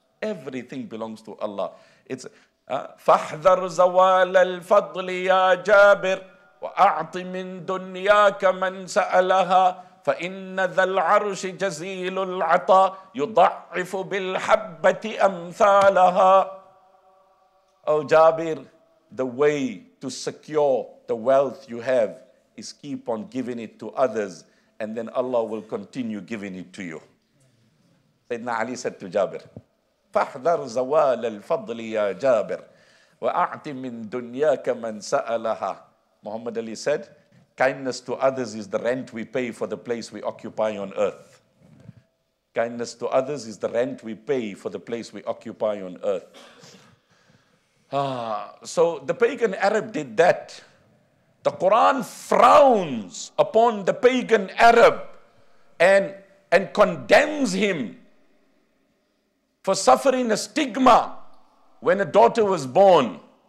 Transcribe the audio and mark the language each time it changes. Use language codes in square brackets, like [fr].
[en] Everything belongs to Allah. It's [ar] فَحْذَرْ زَوَالَ الْفَضْلِ يَا جَابِرْ وَأَعْطِ مِن دُنْيَاكَ مَنْ سَأَلَهَا فَإِنَّ ذَا الْعَرْشِ جَزِيلُ الْعَطَى يُضَعِّفُ بِالْحَبَّةِ أَمْثَالَهَا. [en] Oh Jabir, the way to secure the wealth you have is keep on giving it to others, and then Allah will continue giving it to you. Sayyidina Ali said to Jabir, [ar] فَحْذَرْ زَوَالَ الْفَضْلِ يَا جَابِرْ وَأَعْطِ مِن دُنْيَاكَ مَنْ سَأَلَهَا. [en] Muhammad Ali said, kindness to others is the rent we pay for the place we occupy on earth. Kindness to others is the rent we pay for the place we occupy on earth. So the pagan Arab did that. The Quran frowns upon the pagan Arab and condemns him for suffering a stigma when a daughter was born.